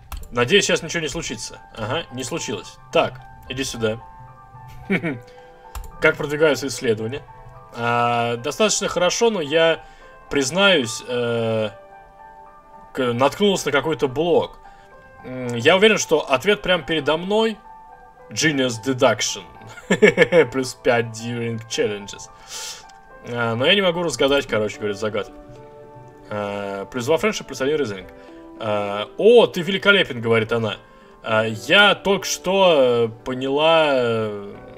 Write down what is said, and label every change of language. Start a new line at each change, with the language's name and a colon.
Russian: Надеюсь, сейчас ничего не случится. Ага, не случилось. Так, иди сюда. Как продвигаются исследования? Достаточно хорошо, но я признаюсь, наткнулся на какой-то блок. Я уверен, что ответ прямо передо мной.
English: Genius deduction.
Russian: Плюс
English: 5 during challenges.
Russian: Но я не могу разгадать, короче говоря, загад. Плюс 2 friendship, плюс 1 reasoning. О, ты великолепен, говорит она. Я только что поняла...